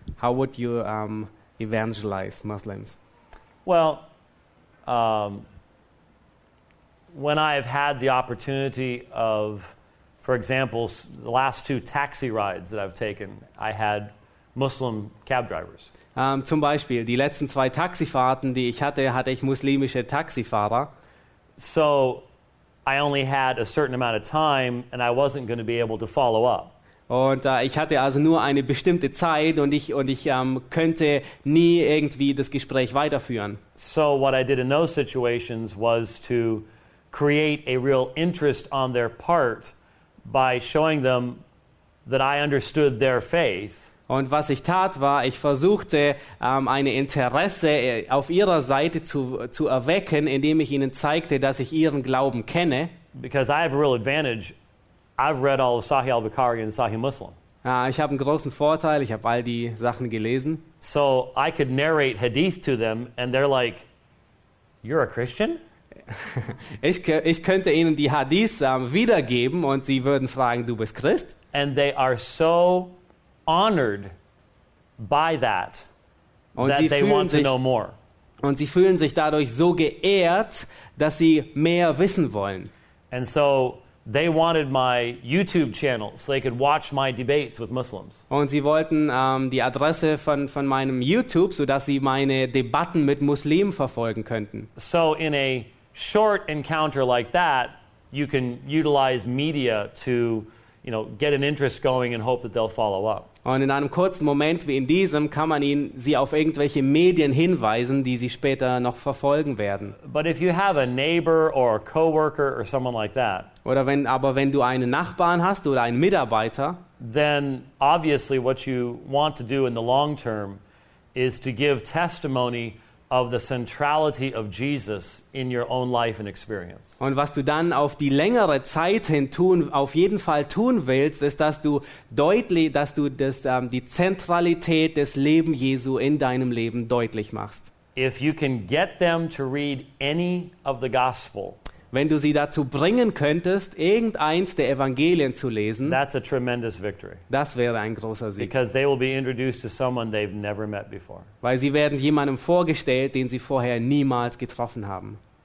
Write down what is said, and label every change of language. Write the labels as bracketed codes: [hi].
[en] How would you evangelize Muslims? Well, when I have had the opportunity of, for example, the last two taxi rides that I've taken, I had Muslim cab drivers. [de] Zum Beispiel, die letzten zwei Taxifahrten, die ich hatte, hatte ich muslimische Taxifahrer. [en] So I only had a certain amount of time and I wasn't going to be able to follow up. [de] Und ich hatte also nur eine bestimmte Zeit und ich könnte nie irgendwie das Gespräch weiterführen. [en] So what I did in those situations was to create a real interest on their part by showing them that I understood their faith. [de] Und was ich tat, war, ich versuchte, ein Interesse auf ihrer Seite zu erwecken, indem ich ihnen zeigte, dass ich ihren Glauben kenne. [en] Because I have a real advantage. I've read all of Sahih al-Bukhari and Sahih Muslim. [de] Ich habe einen großen Vorteil. Ich habe all die Sachen gelesen. [en] So I could narrate Hadith to them, and they're like, "You're a Christian?" [de] Ich könnte ihnen die Hadith wiedergeben, und sie würden fragen, du bist Christ? [en] And they are so honored by that, [de] und [en] that they want [de] sich, [en] to know more. [de] Und sie fühlen sich dadurch so geehrt, dass sie mehr wissen wollen. [en] And so they wanted my YouTube channel so they could watch my debates with Muslims. [de] Und sie wollten die Adresse von meinem YouTube, so dass sie meine Debatten mit Muslimen verfolgen könnten. [en] So in a short encounter like that, you can utilize media to, you know, get an interest going and hope that they'll follow up. [de] Und in einem kurzen Moment wie in diesem kann man ihnen sie auf irgendwelche Medien hinweisen, die sie später noch verfolgen werden. [en] But if you have a neighbor or a coworker or someone like that. [de] Oder wenn du einen Nachbarn hast oder einen Mitarbeiter, [en] then obviously what you want to do in the long term is to give testimony of the centrality of Jesus in your own life and experience. [de] Und was du dann auf die längere Zeit hin tun, auf jeden Fall tun willst, ist, dass du deutlich, dass du das die Zentralität des Leben Jesu in deinem Leben deutlich machst. [en] If you can get them to read any of the gospel. [de] Wenn du sie dazu bringen könntest, irgendeins der Evangelien zu lesen. [en] That's a tremendous victory. [de] Das wäre ein großer Sieg. [en] Because they will be introduced to someone they've never met before. [de] Weil sie werden jemandem vorgestellt, den sie vorher niemals getroffen haben.